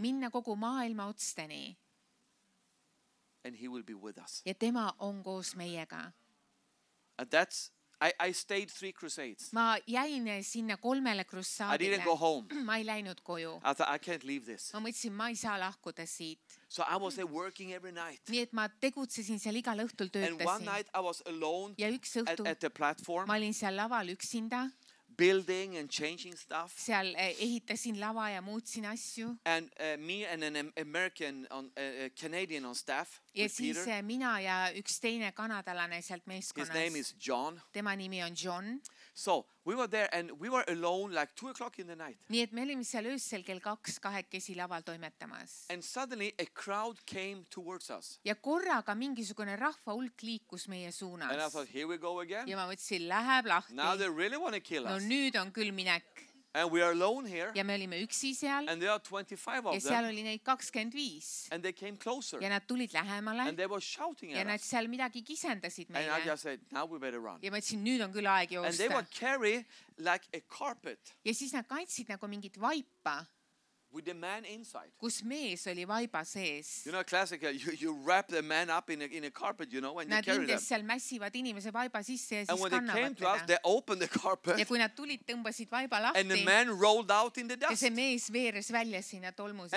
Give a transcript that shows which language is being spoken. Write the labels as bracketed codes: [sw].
[et] Minna kogu maailma otsteni. [en] And he will be with us. [et] Ja tema on koos meiega. [en] And that's I stayed 3 crusades. [et] Ma jäin sinna kolmele krusaadile. [en] I didn't go home. [et] Ma ei läinud koju. [en] I thought, I can't leave this. [et] Ma mõtlesin, ma ei saa lahkuda siit. [en] So I was there working every night. [et] Nii et ma tegutsesin seal igal õhtul töötasin. [en] And one night I was alone [et] ja üks õhtu [en] at the platform. [et] Ma olin seal laval üksinda. [en] Building and changing stuff. [et] Seal ehitasin lava ja muutsin asju. [en] And me and an American on Canadian on staff. [et] Ja siis mina ja üks teine kanadalane sealt meeskonnas. [en] His name is John. [et] Tema nimi on John. [en] So we were there and we were alone like 2 o'clock in the night. [et] Nii et me olime seal öösel kell 2 kahekesi laval toimetamas. [en] And suddenly a crowd came towards us. [et] Ja korraga mingisugune rahva hulk liikus meie suunas. [en] And I thought, here we go again. [et] Ja ma mõtlesin, läheb lahti. [en] Now they really want to kill us. [et] No nüüd on küll minek. [en] And we are alone here. [et] Ja me olime üksi seal. [en] And there are 25 of them. [et] Ja seal oli neid 25. [en] And they came closer. [et] Ja nad tulid lähemale. [en] And they were shouting at us. [et] Ja nad seal midagi kisendasid meile. [en] And I just said, now we better run. [et] Ja ma ütlesin, nüüd on küll aeg joosta. [en] And they would carry like a carpet. [et] Ja siis nad kaitsid nagu mingit vaipa. [en] With the man inside. [et] Kus mees oli vaiba sees. [en] You know, classical, you wrap the man up in a carpet, you know, when [et] nad [en] you carry them. [et] Nad seal mässivad inimese vaiba sisse ja siis [en] and when they came [et] teda. [en] To us, they opened the carpet. [et] Ja kui nad tulid, tõmbasid vaiba lahti. [en] And the man rolled out in the dust. [et] Ja see mees veeres välja sinna tolmu sisse.